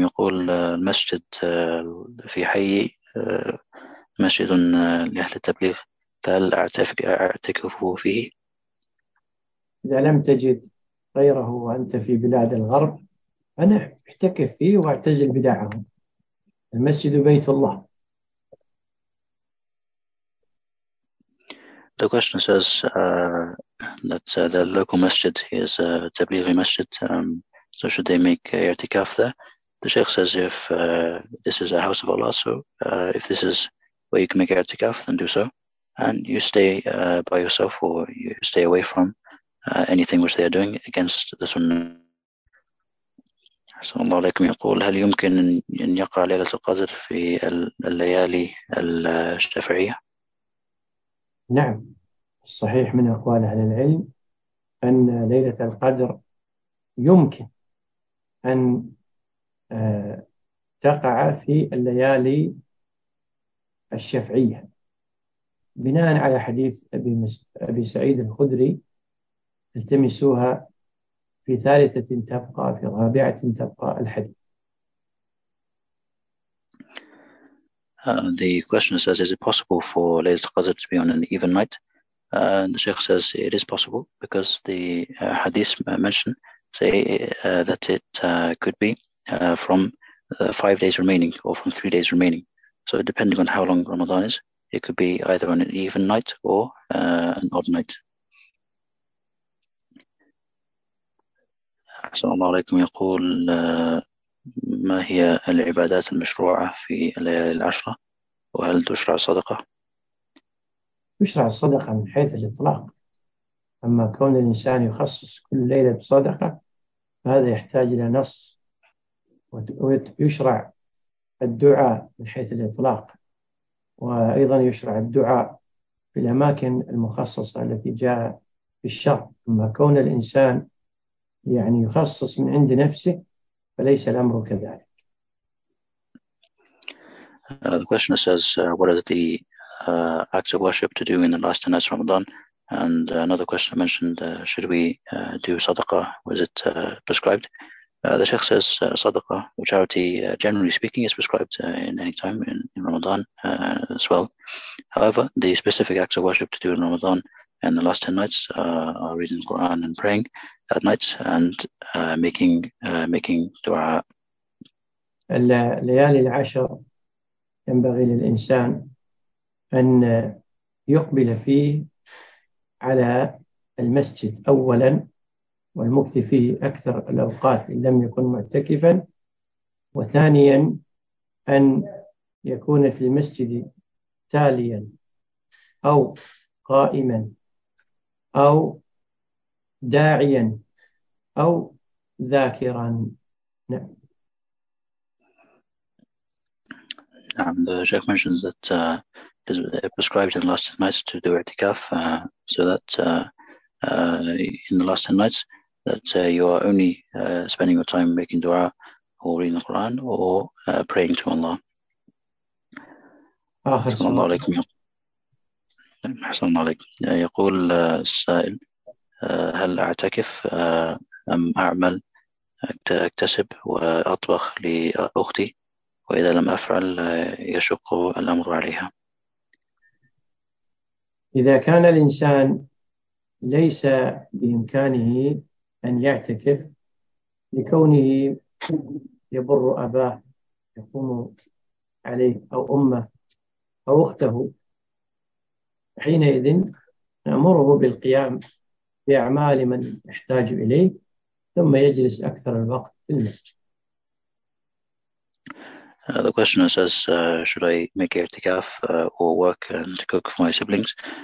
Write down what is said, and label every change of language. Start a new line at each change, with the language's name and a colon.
Arabic: يقول المسجد في حي مسجد لأهل التبليغ، فهل أعتكف فيه؟ إذا لم تجد غيره وأنت في بلاد الغرب أنا احتكف فيه واعتزل بدعه، المسجد بيت الله.
English: The question says that the local masjid is a tablighi masjid, so should they make i'tikaf there? The Sheikh says if this is a house of Allah, so if this is where you can make i'tikaf, then do so. And you stay by yourself, or you stay away from anything which they are doing against the Sunnah.
Arabic: صلى الله عليكم. يقول هل يمكن أن يقع ليلة القدر في الليالي الشافعية؟ نعم، الصحيح من أقوال أهل العلم أن ليلة القدر يمكن أن تقع في الليالي الشفعية بناء على حديث أبي سعيد الخدري، التمسوها في ثالثة تبقى في رابعة تبقى الحديث.
English: The question says, is it possible for Laylat al-Qadr to be on an even night? The Sheikh says it is possible because the hadith mentioned say that it could be from 5 days remaining or from 3 days remaining. So depending on how long Ramadan is, it could be either on an even night or an odd night.
Arabic: السلام عليكم. يقول ما هي العبادات المشروعة في الليالي العشرة وهل تشرع الصدقة؟ تشرع الصدقة من حيث الإطلاق، أما كون الإنسان يخصص كل ليلة بصدقة فهذا يحتاج إلى نص، ويشرع الدعاء من حيث الإطلاق، وأيضا يشرع الدعاء في الأماكن المخصصة التي جاء في الشرع، أما كون الإنسان يعني يخصص من عند نفسه، فليس الأمر كذلك.
English: The question says, what is the act of worship to do in the last 10 nights of Ramadan? And another question mentioned, should we do sadaqah? Was it prescribed? The Sheikh says, sadaqah, or charity, generally speaking, is prescribed in any time in Ramadan as well. However, the specific acts of worship to do in Ramadan in the last 10 nights are reading the Quran and praying at night and making dua.
Arabic: الليالي العشر ينبغي للإنسان أن يقبل فيه على المسجد أولا، والمكث فيه أكثر الأوقات إن لم يكن معتكفا، وثانيا أن يكون في المسجد تاليا أو قائما أو داعيا أو ذاكرا. نعم.
English: And the Sheikh mentions that it is prescribed in the last 10 nights to do i'tikaf, so that in the last 10 nights that you are only spending your time making dua or reading the Quran or praying to Allah.
Arabic: As-salamu alaykum. As-salamu alaykum. يقول السائل هل اعتكف ام اعمل اكتسب واطبخ لاختي؟ وإذا لم أفعل يشق الأمر عليها. إذا كان الإنسان ليس بإمكانه أن يعتكف لكونه يبر أباه يقوم عليه أو أمه أو أخته، حينئذ نأمره بالقيام بأعمال من يحتاج إليه ثم يجلس أكثر الوقت في المسجد.
English: The questioner says, should I make i'tikaf or work and cook for my siblings?